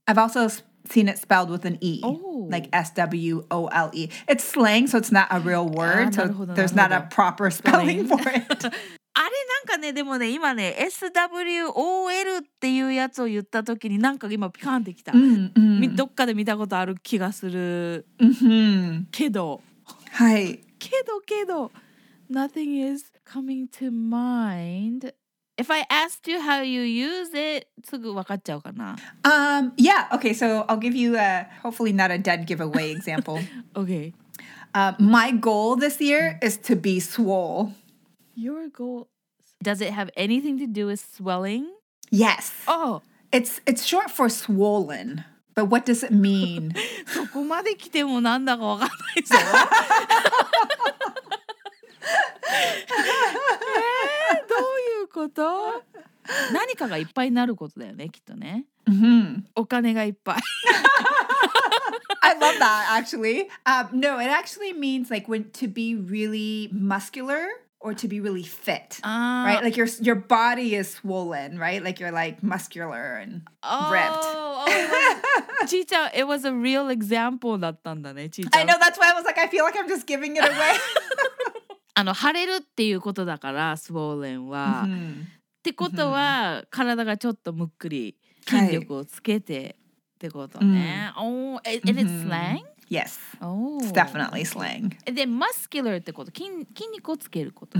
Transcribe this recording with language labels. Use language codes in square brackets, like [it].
[en] I've also seen it spelled with an E. Oh. Like S-W-O-L-E. It's slang, so it's not a real word. So there's not a proper spelling for it. [ja] あれなんかね、でもね、今ね、S-W-O-L っていうやつを言った時になんか今ピカンってきた。 Mm-hmm. どっかで見たことある気がする。 Mm-hmm. けど。はい。けど。 [en] Nothing is coming to mind. If I asked you how you use it, [ja] すぐ分かっちゃうかな? [en] Yeah, okay, so I'll give you a, hopefully not a dead giveaway example. Okay. My goal this year is to be swole. Your goal? Does it have anything to do with swelling? Yes. Oh. It's short for swollen, but what does it mean? [ja] そこまで来てもなんだか分かんないぞ。どういうこと？何かがいっぱいなることだよね、きっとね。 Mm-hmm. お金がいっぱい。 [en] I love that, actually. No, it actually means like when to be really muscular or to be really fit. Right? Like your body is swollen, right? Like you're like muscular and ripped. ちーちゃん、it was a real example [ja] だったんだね、ちーちゃん。 [en] I know, that's why I was like, I feel like I'm just giving it away. [ja] あの腫れるっていうことだから、スウォーレンは、 mm-hmm. ってことは、mm-hmm. 体がちょっとむっくり筋力をつけてってことね。 [en] Mm-hmm. Oh, and it's slang? Yes.、 Oh. It's definitely slang. [ja] で、muscular ってこと、筋肉をつけること。